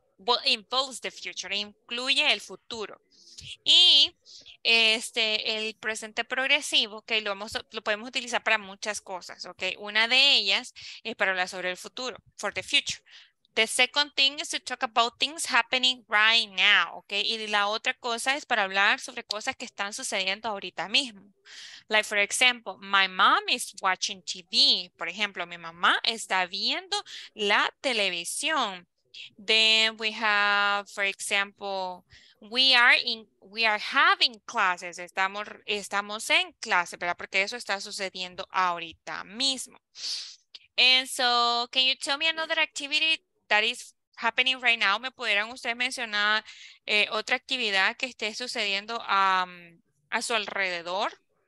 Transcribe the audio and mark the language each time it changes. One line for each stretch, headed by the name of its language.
English: Well, involves the future,
Spanish: incluye el futuro. Y este, el presente progresivo, okay, lo podemos utilizar para muchas cosas, okay? Una de ellas es para hablar sobre el futuro,
English: for the future. The second thing is to talk about things happening right now, okay?
Spanish: Y la otra cosa es para hablar sobre cosas que están sucediendo ahorita mismo.
English: Like, for example, my mom is watching TV.
Spanish: Por ejemplo, mi mamá está viendo la televisión.
English: Then we have, for example, we are having classes.
Spanish: Estamos en clase, ¿verdad? Porque eso está sucediendo ahorita mismo.
English: And so, can you tell me another activity that is happening right now?
Spanish: ¿Me pudieran ustedes mencionar otra actividad que esté sucediendo a su alrededor?